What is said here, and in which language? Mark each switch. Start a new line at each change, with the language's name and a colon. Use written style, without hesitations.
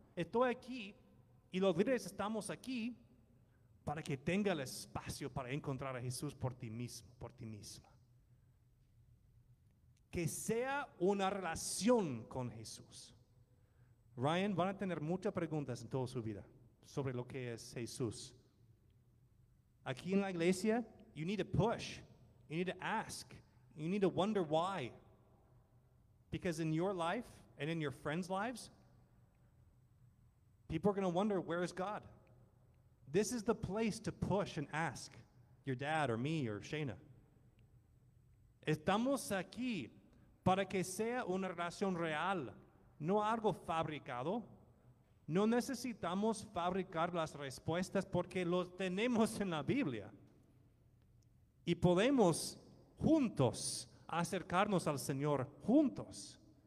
Spanish: Estoy aquí y los líderes estamos aquí para que tenga el espacio para encontrar a Jesús por ti mismo, por ti misma. Que sea una relación con Jesús. Ryan, van a tener muchas preguntas en toda su vida sobre lo que es Jesús. Aquí en la iglesia,
English: you need to push, you need to ask, you need to wonder why. Because in your life and in your friends' lives, people are going to wonder, where is God? This is the place to push and ask your dad or me or Shayna.
Spanish: Estamos aquí para que sea una relación real, no algo fabricado. No necesitamos fabricar las respuestas porque lo tenemos en la Biblia. Y podemos juntos acercarnos al Señor, juntos.